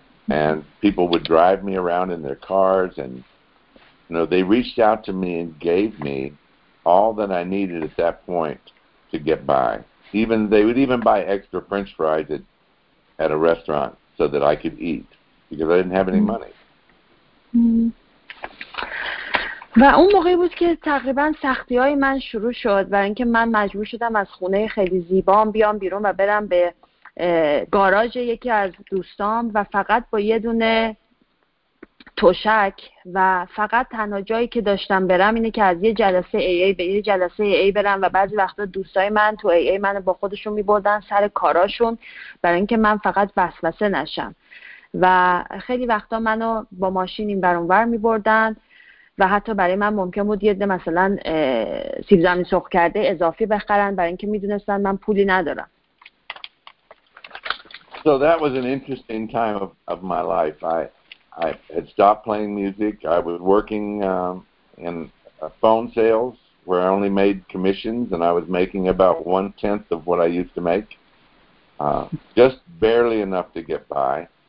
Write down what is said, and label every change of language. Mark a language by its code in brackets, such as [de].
[en] And people would drive me around in their cars. And, you know, they reached out to me and gave me all that I needed at that point to get by. Even they would even buy extra French fries at a restaurant so that I could eat because I didn't have any money. [fa] و اون موقعی بود که تقریبا سختی‌های من شروع شد، برای اینکه من مجبور شدم از خونه خیلی زیبام بیام بیرون و برم به گاراژ یکی از دوستام و فقط با یه دونه توشک و فقط تنها جایی که داشتم برم اینه که از یه جلسه AA به یه جلسه AA برم. و بعضی وقتا دوستای من تو AA منو با خودشون می‌بردن سر کاراشون برای اینکه من فقط وسوسه نشم، و خیلی وقتا منو با ماشین این برانور می‌بردن و حتی برای من ممکن بود یه مثلا سیب زمینی سرخ کرده اضافی بخرن برای اینکه می‌دونستن من پولی ندارم. [en] So that was an interesting time of my life. I had stopped playing music. I was working in phone sales where I only made commissions, and I was making about one-tenth of what I used to make, just barely enough to get by.